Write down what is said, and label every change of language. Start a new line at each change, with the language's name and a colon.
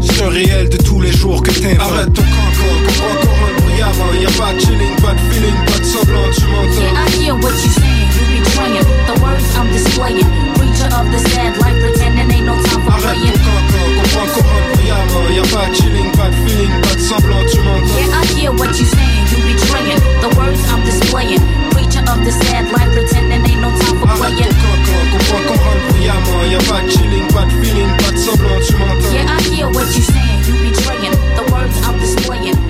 French: C'est un réel de tous les jours que t'aimes. Arrête ton cancan, comprends qu'on rentre brillamment. Y'a pas de chilling, pas de feeling, pas de semblant, tu m'entends.
English: Yeah, I hear what you're saying, you betraying the words I'm displaying. Preacher of the sad life, pretending ain't no time for praying.
French: Arrête ton cancan, comprends qu'on rentre brillamment. Y'a pas de chilling, pas de feeling, pas de semblant, tu m'entends.
English: Yeah, I hear what you're saying, you betraying the words I'm displaying. Preacher of the sad life, pretending ain't no time for playing.
French: Arrête ton cancan, comprends qu'on rentre brillamment. Y'a pas de chilling, pas de feeling, pas de semblant, tu m'entends.
English: Yeah, I hear what you're saying, you betraying the words I'm displaying.